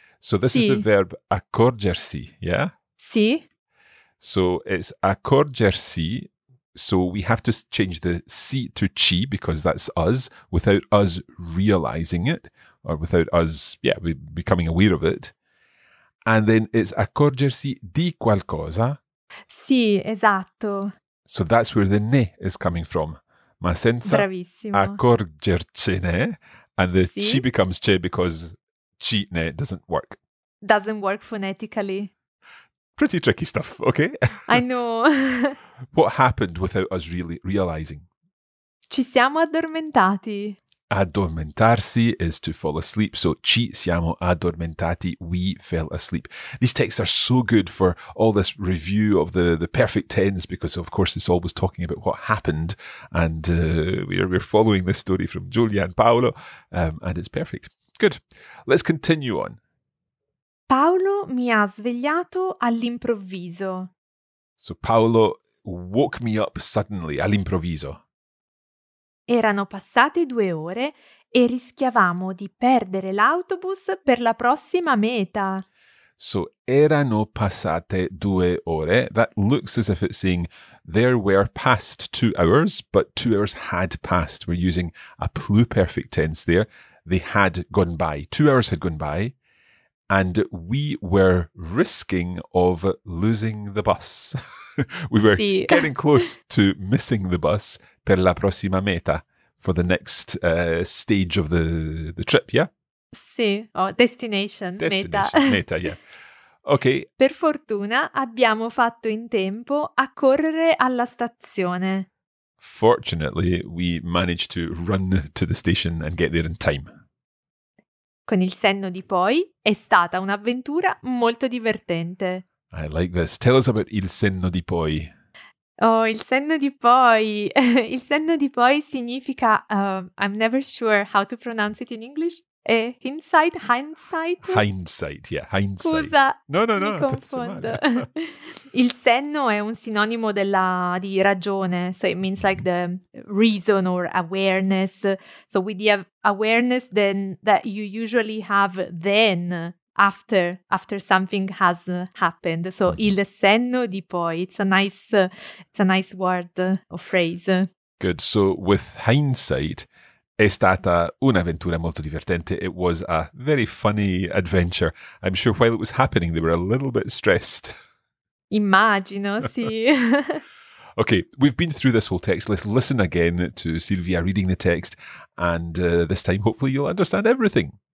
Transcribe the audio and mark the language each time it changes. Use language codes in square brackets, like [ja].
[en] So this is the verb accorgersi, yeah? [it] Sì. [en] So it's [it] accorgersi. [en] So we have to change the si to ci because that's us, without us realizing it, or without us, becoming aware of it. And then it's [it] accorgersi di qualcosa. Sì, esatto. [en] So that's where the ne is coming from. [it] Ma senza Bravissimo. Accorgercene. [en] And the [it] sì. [en] ci becomes ce because ci ne doesn't work. Doesn't work phonetically. Pretty tricky stuff, okay? I know. What happened without us really realizing? [it] Ci siamo addormentati. [en] Addormentarsi is to fall asleep. So [it] ci siamo addormentati, [en] we fell asleep. These texts are so good for all this review of the perfect tense because, of course, it's always talking about what happened. And we're following this story from Giulia and Paolo, and it's perfect. Good. Let's continue on. [it] Paolo mi ha svegliato all'improvviso. [en] So Paolo woke me up suddenly, all'improvviso. [it] Erano passate 2 ore e rischiavamo di perdere l'autobus per la prossima meta. So erano passate 2 ore. [en] That looks as if it's saying there were past 2 hours, but 2 hours had passed. We're using a pluperfect tense there. They had gone by. 2 hours had gone by. And we were risking of losing the bus. We were [it] sì. [en] getting close to missing the bus [it] per la prossima meta, [en] for the next stage of the trip, yeah? [it] Sì, [en] destination, meta, yeah. Okay. [it] Per fortuna abbiamo fatto in tempo a correre alla stazione. [en] Fortunately, we managed to run to the station and get there in time. [it] Con il senno di poi, è stata un'avventura molto divertente. [en] I like this. Tell us about il senno di poi. [it] Oh, il senno di poi. Il senno di poi significa, [en] I'm never sure how to pronounce it in English, hindsight? Hindsight, yeah, hindsight. [it] Scusa, no, mi confondo. Il senno è un sinonimo di ragione, [en] so it means like the reason or awareness. So with the awareness then that you usually have then, after something has happened. So il senno di poi, it's a nice word or phrase. Good, so with hindsight, [it] è stata un'avventura molto divertente. [en] It was a very funny adventure. I'm sure while it was happening, they were a little bit stressed. [it] Immagino, sì. [en] Okay, we've been through this whole text. Let's listen again to Silvia reading the text. And this time, hopefully, you'll understand everything.